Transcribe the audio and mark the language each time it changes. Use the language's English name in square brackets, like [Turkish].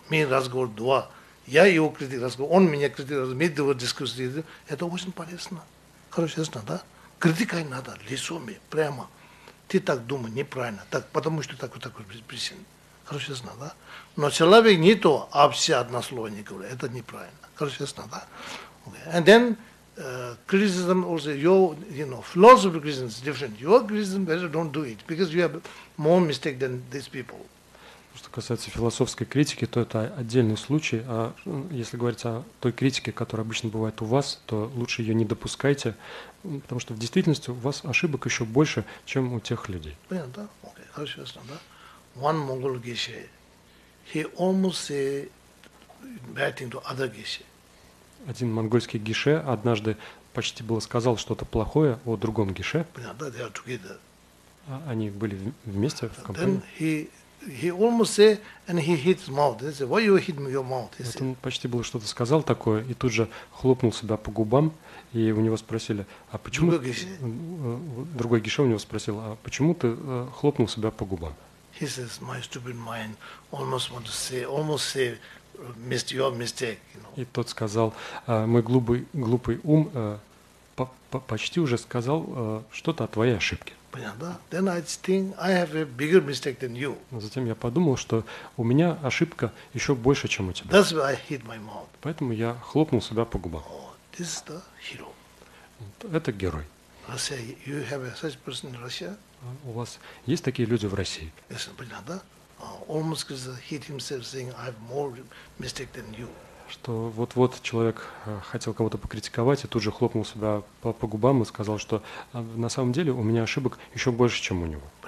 [Russian] Мы разговор два. Я его критик разговор, он меня критик разговор, мы дискуссия идет. Это очень полезно. Хорошо, ясно, да? Критикой надо, лицоми, прямо. Ты так думаешь, неправильно, так, потому что такой причин. Хорошо, ясно, да? Но человек не то, а все одно слово не говорит. Это неправильно. Хорошо, ясно, да? Okay. [English] And then, criticism also, philosophy criticism is different. Your criticism better don't do it, because you have more mistake than these people. [Russian] Что касается философской критики, то это отдельный случай. А если говорить о той критике, которая обычно бывает у вас, то лучше ее не допускайте, потому что в действительности у вас ошибок еще больше, чем у тех людей. Понятно, да? Окей, хорошо, ясно, да? [English] One Mongol Geshe, he almost said bad thing to other Geshe. [Russian] Один монгольский Геше однажды почти было сказал что-то плохое о другом Геше. Понятно, да? [English] They are together. [Russian] Они были вместе в компании. [English] He almost said, and he hit his mouth. He said, "Why you hit your mouth?" He said. [Russian] Он почти было что-то сказал такое и тут же хлопнул себя по губам и у него спросили, а почему? Другой Геше у него спросил, а почему ты хлопнул себя по губам? [English] He says, "My stupid mind almost want to say, almost say, missed your mistake." You know. [Russian] И тот сказал, мой глупый ум почти уже сказал что-то о твоей ошибке. [English] Then I think I have a bigger mistake than you. [Russian] Затем я подумал, что у меня ошибка еще больше, чем у тебя. [English] That's why I hit my mouth. [Russian] Поэтому я хлопнул себя по губам. [English] Oh, this is the hero. [Russian] Это герой. [English] Russia, you have such person in Russia? [Russian] У вас есть такие люди в России? Yes, понятно. [English] Almost hit himself saying I have more mistake than you. [Russian] Что вот-вот человек хотел кого-то покритиковать и тут же хлопнул себя по губам и сказал, что на самом деле у меня ошибок еще больше, чем у него.